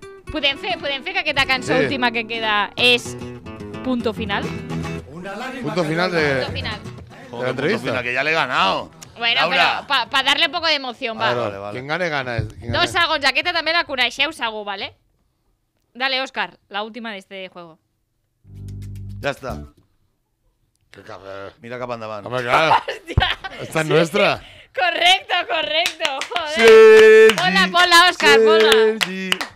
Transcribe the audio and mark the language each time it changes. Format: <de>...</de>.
<ca>Podem fer que aquesta cançó sí. Última que queda és Punto Final?</ca> <es>Punto Final de... Punto Final. De entrevista. Punto Final, que ya le he ganado. Bueno, Laura. Pero para darle un poco de emoción, va. Vale, vale. Quien gane, gana. Quien</es> <ca>dos segons, aquesta també la coneixeu segur, ¿vale?</ca> <es>Dale, Óscar, la última de este juego. Ya está. Qué cabrón.</es> <ca>Mira cap endavant.</ca> <es>Hombre, claro. Hostia. Esta es sí, nuestra. Sí. Correcto, correcto. Joder. Sergi. Hola, hola, Óscar, hola. Sergi.</es>